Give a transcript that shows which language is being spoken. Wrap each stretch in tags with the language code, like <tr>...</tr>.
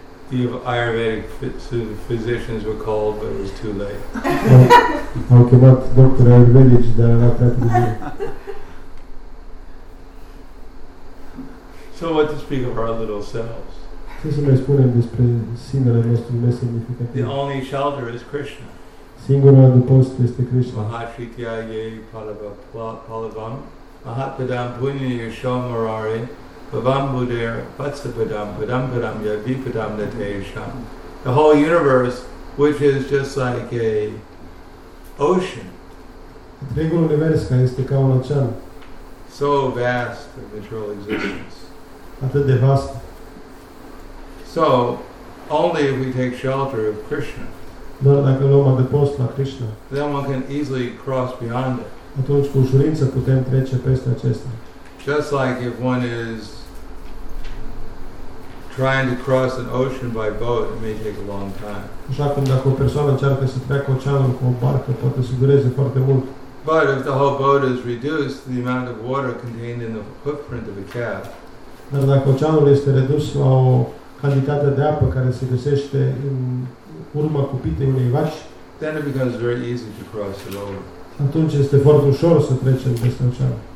<en>the Ayurvedic physicians were called, but it was too late.</en> <ro>Au chemat doctor ayurvedic, dar era prea târziu.</ro> <en>So what to speak of our little selves?</en> <ro>Ce să mai spunem despre sinele nostru nesemnificativ?</ro> <en>The only shelter is Krishna.</en> <ro>Singurul adăpost este Krishna.</ro> <sa>Mahashritya ye palavam. Mahatpadam punyaya shomarari. Bhavam buddhair vatsapadam padam padam yadvipadam nateyasham.</sa> <en>The whole universe, which is just like a ocean.</en> <ro>Întregul univers care este ca un ocean.</ro> <en>So vast of material existence.</en> <ro>Atât de vast.</ro> <en>So, only if we take shelter of Krishna.</en> <ro>Doar dacă luăm adăpost la Krishna.</ro> <en>Then one can easily cross beyond it.</en> <ro>Atunci cu ușurință putem trece peste acesta.</ro> <en>Just like if one is trying to cross an ocean by boat, it may take a long time.</en> <ro>Așa cum dacă o persoană încearcă să treacă oceanul cu o barcă, poate să dureze foarte mult.</ro> <en>But if the whole boat is reduced, the amount of water contained in the footprint of a calf.</en> <ro>Dar dacă oceanul este redus la o cantitate de apă care se găsește în urma cupitei unei vaci,</ro> <en>then it becomes very easy to cross it over.</en> <ro>Atunci este foarte ușor să trecem peste ocean.</ro>